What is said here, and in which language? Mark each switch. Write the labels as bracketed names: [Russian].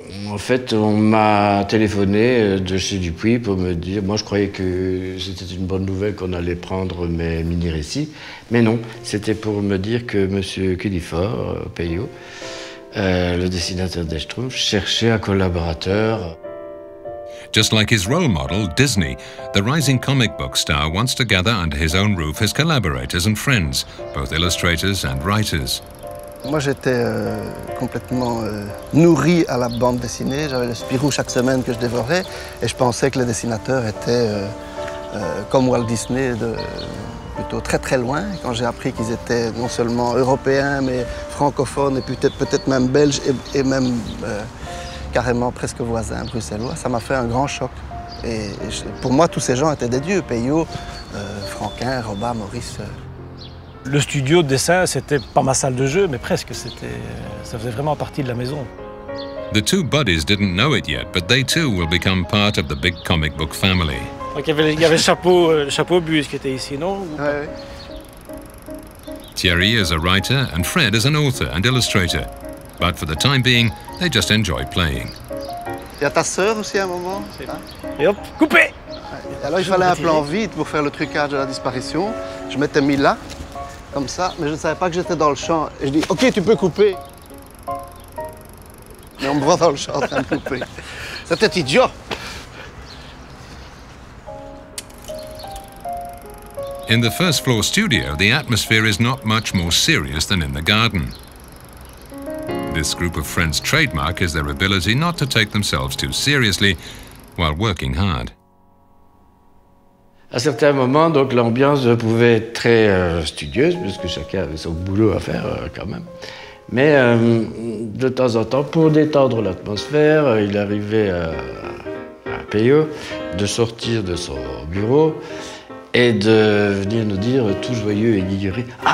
[French] En fait, on m'a téléphoné de chez Dupuy pour me dire, moi je croyais que c'était une bonne nouvelle qu'on allait prendre mes mini-récits, mais non, c'était pour me dire que Monsieur Cunifort, Peillot, le dessinateur des Schtroumpfs, cherchait un collaborateur. [English] Just like his role model, Disney, the rising comic book star wants to gather under his own roof his collaborators and friends, both illustrators and writers. [French] Moi, j'étais complètement nourri à la bande dessinée. J'avais le Spirou chaque semaine que je dévorais. Et je pensais que les dessinateurs étaient comme Walt Disney, plutôt très, très loin. Et quand j'ai appris qu'ils étaient non seulement européens, mais francophones et peut-être même belges et même... carrément presque voisin bruxellois, ça m'a fait un grand choc. Et pour moi, tous ces gens étaient des dieux. Peillot, Franquin, Robin, Maurice. Le studio de dessin, c'était pas ma salle de jeu, mais presque, c'était, ça faisait vraiment partie de la maison. [English] The two buddies didn't know it yet, but they too will become part of the big comic book family. [French] Donc, il y avait Chapeau Bus qui était ici, non? Ouais. [English] Thierry is a writer and Fred is an author and illustrator. But for the time being, they just enjoy playing. [French] Il y a ta sœur aussi à un moment. Hein? Et hop, coupé. Alors il fallait un plan vite pour faire le trucage de la disparition. Je m'étais mis là, comme ça, mais je ne savais pas que j'étais dans le champ. Et je dis, OK, tu peux couper. Mais on me voit dans le champ en train de couper. C'était idiot. [English] In the first floor studio, the atmosphere is not much more serious than in the garden. This group of friends' trademark is their ability not to take themselves too seriously while working hard. [French] À certains moments, donc, l'ambiance pouvait être très studieuse, parce que chacun avait son boulot à faire quand même. Mais de temps en temps, pour détendre l'atmosphère, il arrivait à Peillot de sortir de son bureau et de venir nous dire tout joyeux et guilleré.